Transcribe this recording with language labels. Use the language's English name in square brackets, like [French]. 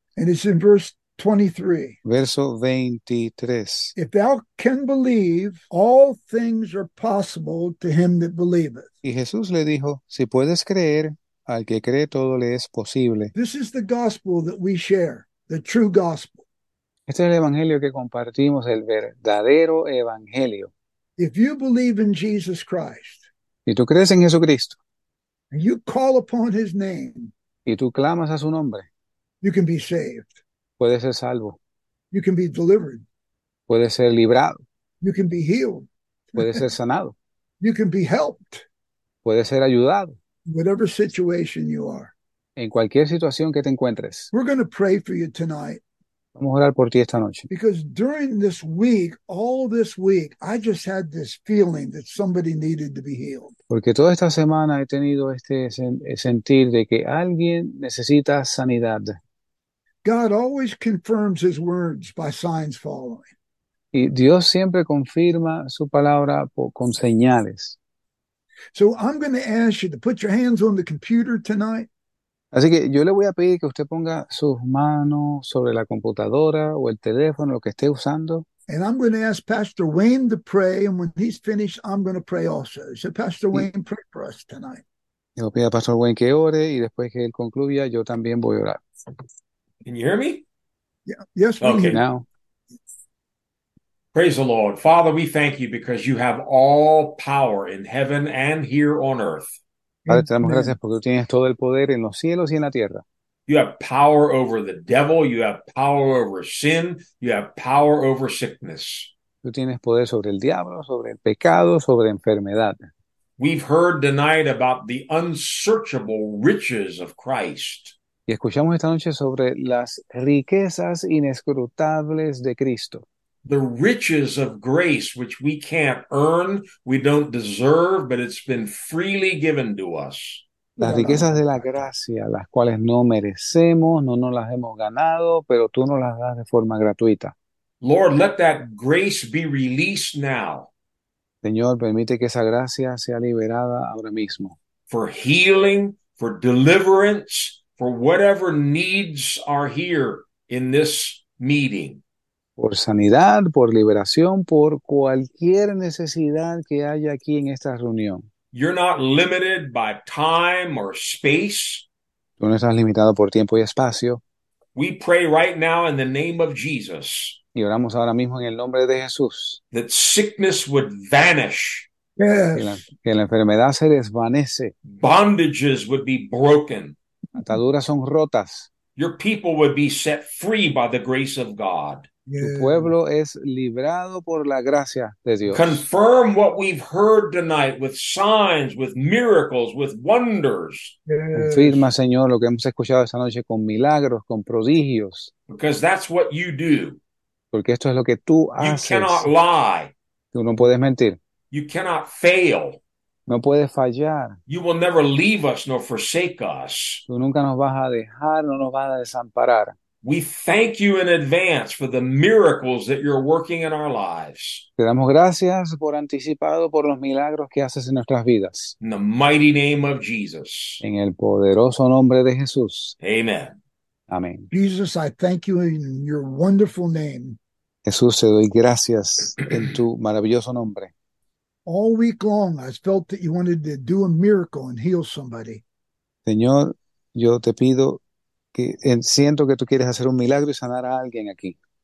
[English] And it's in verse 23. [Spanish] verso 23. [English] If thou can believe, all things are possible to him that believeth. [Spanish] Y Jesús le dijo, si puedes creer, al que cree todo le es posible. [English] This is the gospel that we share, the true gospel. [Spanish] Este es el evangelio que compartimos, el verdadero evangelio. [English] If you believe in Jesus Christ, [Spanish] Y tú crees en Jesucristo. [English] and you call upon his name, [Spanish] Y tú clamas a su nombre. [English] you can be saved. [Spanish] Puedes ser salvo. [English] You can be delivered. [Spanish] Puedes ser librado. [English] You can be healed. [Spanish] Puedes ser sanado. [English] You can be helped. [Spanish] Puedes ser ayudado. [English] Whatever situation you are. [Spanish] En cualquier situación que te encuentres. [English] We're going to pray for you tonight. [Spanish] Vamos a orar por ti esta noche. [English] Because during this week, all this week, I just had this feeling that somebody needed to be healed. [Spanish] Porque toda esta semana he tenido este sentir de que alguien necesita sanidad. [English] God always confirms his words by signs following. [Spanish] Y Dios siempre confirma su palabra con señales. [English] So I'm going to ask you to put your hands on the computer tonight. [Spanish] Así que yo le voy a pedir que usted ponga sus manos sobre la computadora o el teléfono, lo que esté usando. [English] And I'm going to ask Pastor Wayne to pray. And when he's finished, I'm going to pray also. So Pastor Wayne, pray for us tonight. [Spanish] Yo pido a Pastor Wayne que ore y después que él concluya, yo también voy a orar. [English] Can you hear me? Yeah. Yes, we hear. Now. Praise the Lord. Father, we thank you because you have all power in heaven and here on earth. [Spanish] Padre, te damos gracias [English] Amen. [Spanish] porque tú tienes todo el poder en los cielos y en la tierra. [English] You have power over the devil. You have power over sin. You have power over sickness. [Spanish] Tú tienes poder sobre el diablo, sobre el pecado, sobre enfermedad. [English] We've heard tonight about the unsearchable riches of Christ. [Spanish] Y escuchamos esta noche sobre las riquezas inescrutables de Cristo. [English] The riches of grace, which we can't earn, we don't deserve, but it's been freely given to us. [Spanish] Las riquezas de la gracia, las cuales no merecemos, no nos las hemos ganado, pero tú nos las das de forma gratuita. [English] Lord, let that grace be released now [Spanish] Señor, permite que esa gracia sea liberada ahora mismo. [English] for healing, for deliverance, for whatever needs are here in this meeting. [Spanish] Por sanidad, por liberación, por cualquier necesidad que haya aquí en esta reunión. [English] You're not limited by time or space. [Spanish] Tú no estás limitado por tiempo y espacio. [English] We pray right now in the name of Jesus [Spanish] Y oramos ahora mismo en el nombre de Jesús. [English] that sickness would vanish. [Spanish] Que [English] Yes. [Spanish] la enfermedad se desvanece. [English] Bondages would be broken. [Spanish] Ataduras son rotas. [English] Your people would be set free by the grace of God. [Spanish] Tu pueblo es librado por la gracia de Dios. [English] Confirm what we've heard tonight with signs, with miracles, with wonders. [Spanish] Confirma, Señor, lo que hemos escuchado esta noche con milagros, con prodigios. [English] Because that's what you do. [Spanish] Porque esto es lo que tú [English] You cannot [Spanish] haces. [English] lie. [Spanish] Tú no puedes mentir. [English] You cannot fail. [Spanish] No puedes fallar. [English] You will never leave us nor forsake us. [Spanish] Tú nunca nos vas a dejar, no nos vas a desamparar. [English] We thank you in advance for the miracles that you're working in our lives. [Spanish] Te damos gracias por anticipado por los milagros que haces en nuestras vidas. [English] In the mighty name of Jesus. [Spanish] En el poderoso nombre de Jesús. [English] Amen. [Spanish] Amén. [English] Jesus, I thank you in your wonderful name. [Spanish] Jesús, te doy gracias en tu maravilloso nombre. [English] All week long, I felt that you wanted to do a miracle and heal somebody. [Spanish] Señor, yo te pido que siento que tú quieres hacer un milagro y sanar a alguien aquí.